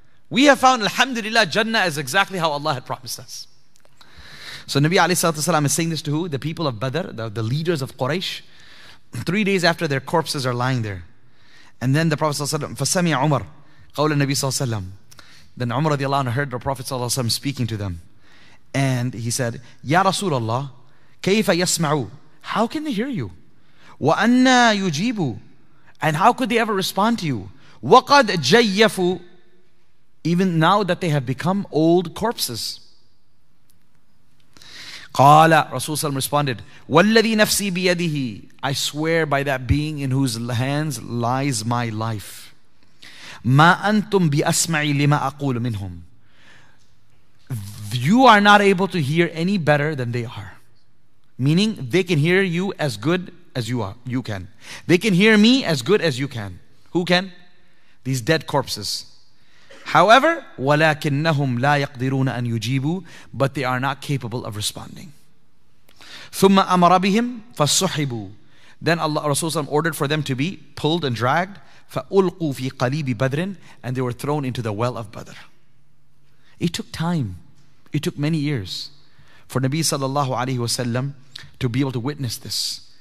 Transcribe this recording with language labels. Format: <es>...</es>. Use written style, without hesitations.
<en>We have found, alhamdulillah, Jannah is exactly how Allah had promised us. So Nabi alayhi salatu wasalam is saying this to who? The people of Badr, the leaders of Quraysh. 3 days after their corpses are lying there. And then the Prophet sallallahu alayhi wa sallam,</en> <ar>فَسَمِعَ عُمَرَ قَوْلَ النَّبِي</ar> <en>sallallahu alayhi wa sallam. Then Umar radiallahu anhu heard the Prophet sallallahu alayhi wa sallam speaking to them. And he said,</en> <ar>يَا رَسُولَ اللَّهِ كَيْفَ يَسْمَعُوا.</ar> <en>How can they hear you?</en> <ar>وَأَنَّا يُجِيبُوا.</ar> <en>And how could they ever respond to you?</en> <ar>وَقَدْ جَيَّفُوا.</ar> <en>Even now that they have become old corpses.</en> <ar>قَالَ رَسُولُ سَلَّمْ</ar> <en>responded,</en> <ar>وَالَّذِي نَفْسِي بِيَدِهِ.</ar> <en>I swear by that being in whose hands lies my life.</en> <ar>مَا أَنْتُمْ بِأَسْمَعِ لِمَا أَقُولُ مِنْهُمْ.</ar> <en>You are not able to hear any better than they are. Meaning, they can hear you as good as you are. You can. They can hear me as good as you can. Who can? These dead corpses. However,</en> <ar>وَلَكِنَّهُمْ لَا يَقْدِرُونَ أَنْ يُجِيبُوا.</ar> <en>But they are not capable of responding.</en> <ar>ثُمَّ أَمَرَ بِهِمْ فَالصُّحِبُوا.</ar> <en>Then Allah Rasulullah ordered for them to be pulled and dragged.</en> <ar>فَأُلْقُوا فِي قَلِيبِ بَدْرٍ.</ar> <en>And they were thrown into the well of Badr. It took time. It took many years for Nabi sallallahu alayhi wasallam to be able to witness this.</en>